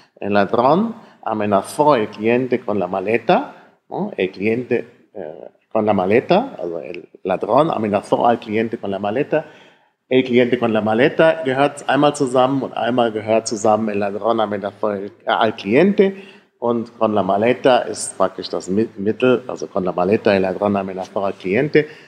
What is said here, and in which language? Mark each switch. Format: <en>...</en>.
<es>El ladrón amenazó el cliente con la maleta. No? El cliente con la maleta. Also el ladrón amenazó al cliente con la maleta. El cliente con la maleta</es> <de>gehört einmal zusammen und einmal gehört zusammen</de> <es>el ladrón amenazó al cliente.</es> <de>Und</de> <es>con la maleta</es> <de>ist praktisch das Mittel.</de> <es>Also con la maleta el ladrón amenazó al cliente.</es>